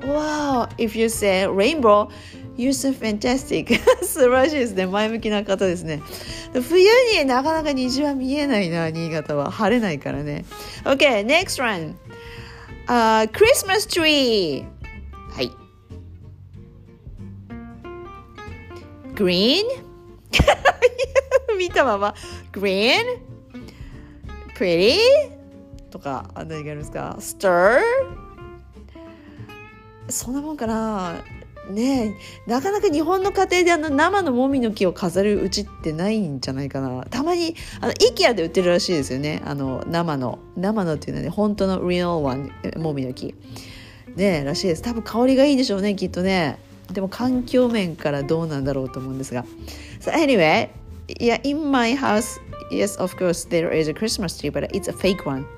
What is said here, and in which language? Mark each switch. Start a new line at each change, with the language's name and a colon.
English: Wow, if you say rainbow, you're so fantastic.
Japanese: 素晴らしいですね。前向きな方ですね。冬になかなか虹は見えないな、新潟は。晴れないからね。
English: Okay, next one、Christmas tree
Japanese: はい、グリーン見たまま、グリーン、プリティとか、何があるんですか、スター、そんなもんかな。ねえ、なかなか日本の家庭であの生のもみの木を飾るうちってないんじゃないかな。たまにあのIKEAで売ってるらしいですよね、あの生のっていうのはね、本当の
English: real one、
Japanese: もみの木ね、えらしいです。多分香りがいいんでしょうね、きっとね。でも環境面からどうなんだろうと思うんですが。
English: So anyway, yeah, in my house, yes, of course, there is a Christmas tree, but it's a fake one.